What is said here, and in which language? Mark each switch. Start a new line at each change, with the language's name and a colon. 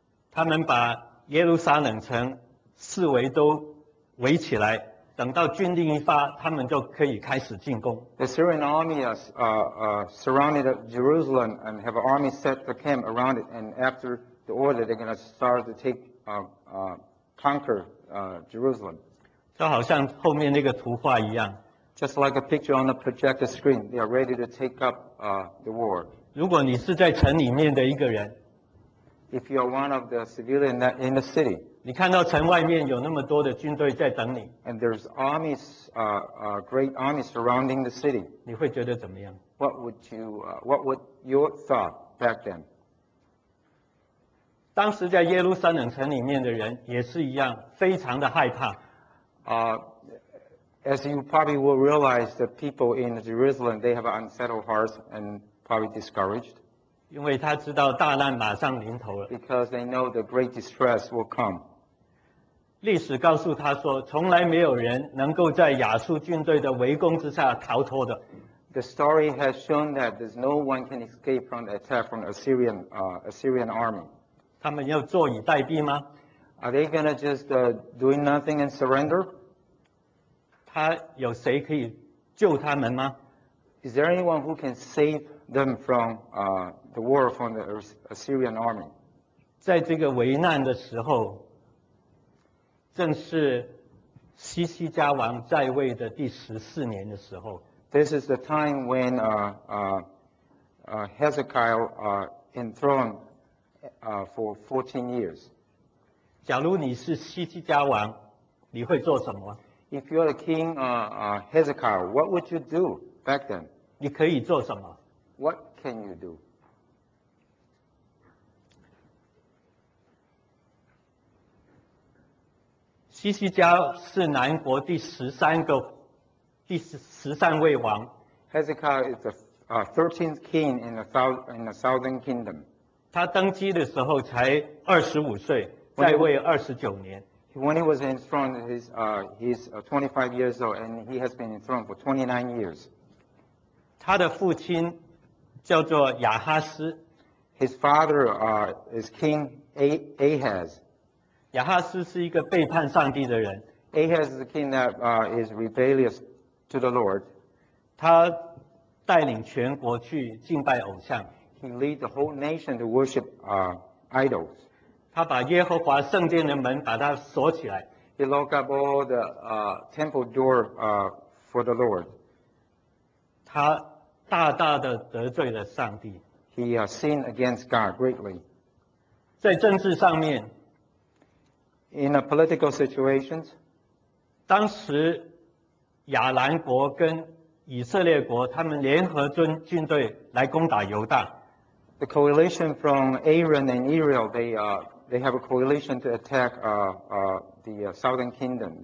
Chinese: 他们把耶路撒冷城四围都围起来，等到军令一发，他们就可以开始进攻。
English: The Assyrian army surrounded Jerusalem and have an army set the camp around it. And after the order, they're going to start to take conquer Jerusalem.
Chinese: 就好像后面那个图画一样。
English: Just like a picture on the projector screen, they are ready to take up the war.
Chinese: 如果你是在城里面的一个人
English: ，If you are one of the civilians in the city,
Chinese: 你看到城外面有那么多的军队在等你
English: ，And there's armies, great armies surrounding the city.
Chinese: 你会觉得怎么样
English: What would your thought back then?
Chinese: 当时在耶路撒冷城里面的人也是一样，非常的害怕。
English: As you probably will realize, the people in Jerusalem, they have unsettled hearts and probably discouraged.
Chinese: 因为他知道大难马上临头了。
English: Because they know the great distress will come.
Chinese: 历史告诉他说，从来没有人能够在亚述军队的围攻之下逃脱的。
English: The story has shown that there's no one can escape from the attack from the Assyrian army.
Chinese: 他们要坐以待毙吗？
English: Are they going to just doing nothing and surrender?
Chinese: 他有谁可以救他们吗？
English: Is there anyone who can save them from the war from the Assyrian army?
Chinese: 在这个危难的时候，正是西西家王在位的第十四年的时候。
English: This is the time when Hezekiah enthroned for 14 years.
Chinese: 假如你是西西家王，你会做什么？
English: If you're the king, Hezekiah, what would you do back then?
Chinese: 你可以做什么？
English: What can you do?
Chinese: 西西家是南国第十三个，第十三位王。
English: Hezekiah is the 13th king in the southern kingdom.
Chinese: 他登基的时候才25岁，在位29年。
English: When he was enthroned, he's 25 years old, and he has been enthroned for 29 years.
Chinese: 他的父亲叫做亚哈斯。
English: His father is King Ahaz.
Chinese: 亚哈斯是一个背叛上帝的人。
English: Ahaz is a king that is rebellious to the Lord.
Chinese: 他带领全国去敬拜偶像。
English: He leads the whole nation to worship idols.
Chinese: 他把耶和华圣殿的门把它锁起来。
English: He locked up all the temple door for the Lord.
Chinese: 他大大的得罪了上帝。
English: He sinned against God greatly.
Chinese: 在政治上面,
English: in a political situations,
Chinese: 当时亚兰国跟以色列国他们联合军队来攻打犹大。
English: The coalition from Aaron and Israel, they have a coalition to attack the southern kingdom.